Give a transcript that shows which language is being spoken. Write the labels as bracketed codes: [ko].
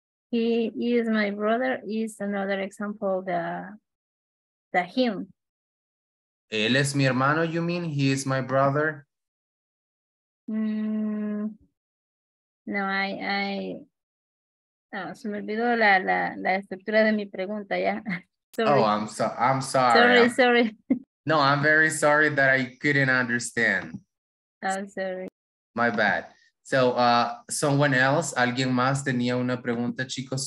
[en] He is my brother. Is another example. The him. [es] Él es mi hermano. [en] You mean he is my brother? No, I. [es] No, se me olvidó la estructura de mi pregunta, ya. [en] Sorry. Oh, I'm sorry. Sorry. No, I'm very sorry that I couldn't understand. I'm sorry. My bad. So, someone else, [es] alguien más tenía una pregunta, chicos?